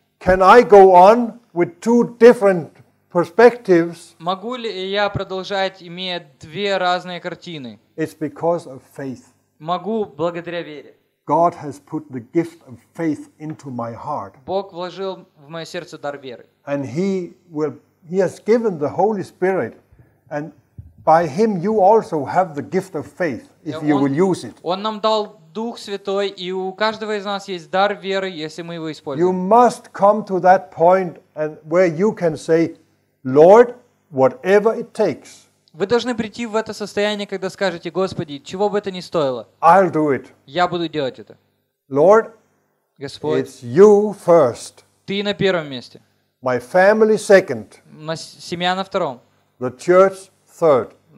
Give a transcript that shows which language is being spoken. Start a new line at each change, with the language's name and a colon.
English: Can I go on with two different perspectives?
Russian: Могу ли я продолжать, имея две разные картины?
English: It's because of faith.
Russian: Могу благодаря вере.
English: God has put the gift of faith into my heart.
Russian: Бог вложил в мое сердце дар веры.
English: And he has given the Holy Spirit, and by him you also have the gift of faith if you will use it.
Russian: Он нам дал Дух Святой, и у каждого из нас есть дар веры, если мы его используем.
English: You must come to that point and where you can say, Lord, whatever it takes.
Russian: Вы должны прийти в это состояние, когда скажете: Господи, чего бы это ни стоило,
English: I'll do it.
Russian: Я буду делать это.
English: Lord,
Russian: Господь,
English: it's you first.
Russian: Ты на первом месте.
English: My family second.
Russian: Семья на втором.
English: The church third.